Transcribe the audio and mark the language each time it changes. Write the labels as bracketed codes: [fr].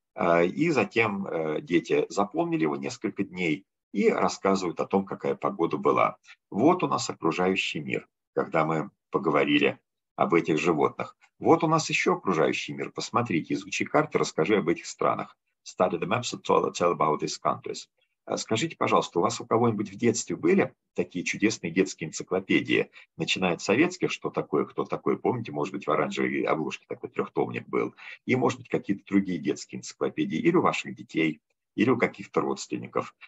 [ru] И затем дети запомнили его несколько дней и рассказывают о том, какая погода была. Вот у нас окружающий мир, когда мы поговорили об этих животных. Вот у нас еще окружающий мир. Посмотрите, изучи карты, расскажи об этих странах. [en] Study the maps and tell about these countries. [ru] Скажите, пожалуйста, у вас у кого-нибудь в детстве были такие чудесные детские энциклопедии, начиная от советских, что такое, кто такой, помните, может быть, в оранжевой обложке такой трехтомник был, и, может быть, какие-то другие детские энциклопедии, или у ваших детей, или у каких-то родственников.